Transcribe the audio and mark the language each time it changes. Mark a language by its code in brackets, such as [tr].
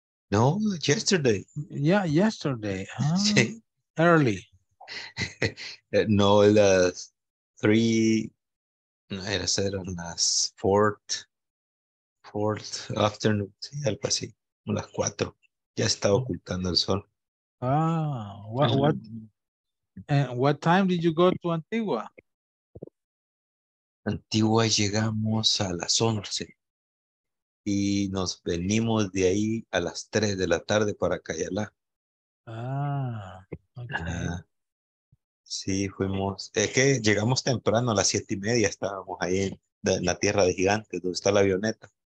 [en] No, yesterday. Yeah, yesterday. Huh? [es] Sí. [en] Early. [es] No, las 3, no, era ser las [en] 4th afternoon, [es] sí, algo así, las 4. Ya estaba ocultando el sol. [en] Ah, what time did you go to Antigua? [es] Antigua llegamos a las 11. Y nos venimos de ahí a las 3 de la tarde para Cayalá. [en] Ah, okay. [es] Sí, fuimos. Es que llegamos temprano, a las 7 y media estábamos ahí en la Tierra de Gigantes, donde está la avioneta.